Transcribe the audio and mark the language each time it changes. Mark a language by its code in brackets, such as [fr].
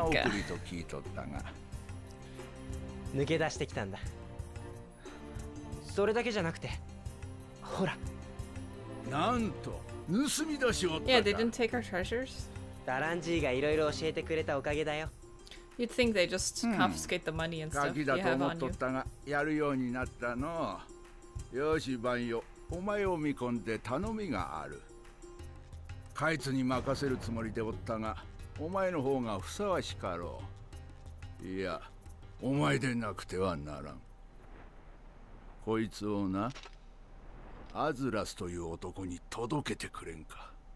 [ja] 慣れ気な送りと聞いとったが。抜け出してきたんだ。それだけじゃなくて、ほら。なんと、盗み出しおったか。 [en] Yeah, they didn't take our treasures. [ja] ダランジーがいろいろ教えてくれたおかげだよ。 [en] You'd think they just confiscate the money and stuff you have on you. 鍵 [ja] だと思っとったが、やるようになったの。よし、バンヨ、お前を見込んで頼みがある。カイツに任せるつもりでおったが、お前の方がふさわしかろう。いや、お前でなくてはならん。こいつをな、アズラスという男に届けてくれんか。